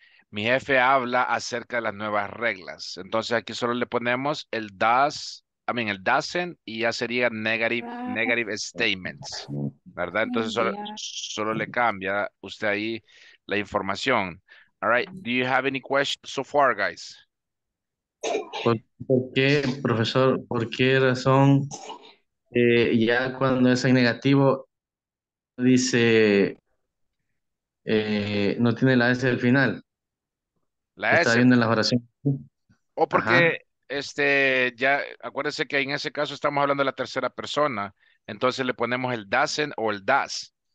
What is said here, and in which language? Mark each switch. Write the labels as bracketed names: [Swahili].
[Spanish] Mi jefe habla acerca de las nuevas reglas. Entonces aquí solo le ponemos el does, [English] I mean [Spanish] el doesn't, y ya sería [English] negative statements, [Spanish] ¿verdad? Entonces solo le cambia usted ahí la información. [English] All right, do you have any questions so far, guys? [Spanish] ¿Por qué, profesor? ¿Por qué razón ya cuando es en negativo dice no tiene la S al final? La S. Está viendo en la oración. O porque ya acuérdese que en ese caso estamos hablando de la tercera persona, entonces le ponemos el doesn't o el does.